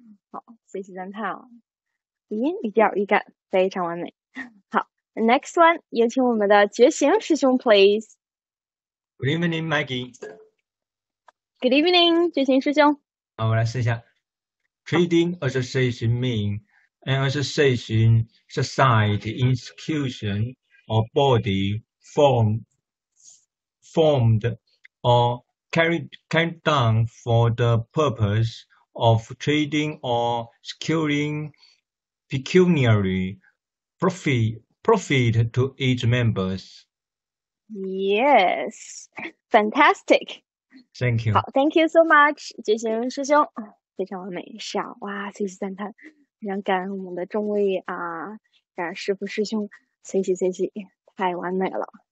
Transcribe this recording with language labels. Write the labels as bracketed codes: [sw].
[zh] 好，谢谢赞叹哦，音语调语感非常完美。好 ， [en] next one， [zh] 有请我们的觉醒师兄 ， [en] please。 Good evening, Maggie。 Good evening， 觉醒师兄。 [zh] 好，我来试一下。 [en] Trading association means an association, society, institution, or body formed or carried down for the purpose. Of trading or securing pecuniary profit to each members. Yes, fantastic. Thank you. [zh] 好 ， [en] Thank you so much, [zh] 觉醒师兄，非常完美，是啊，哇，谢谢赞叹，非常感恩我们的众位啊，感恩师父师兄，谢谢谢谢，太完美了。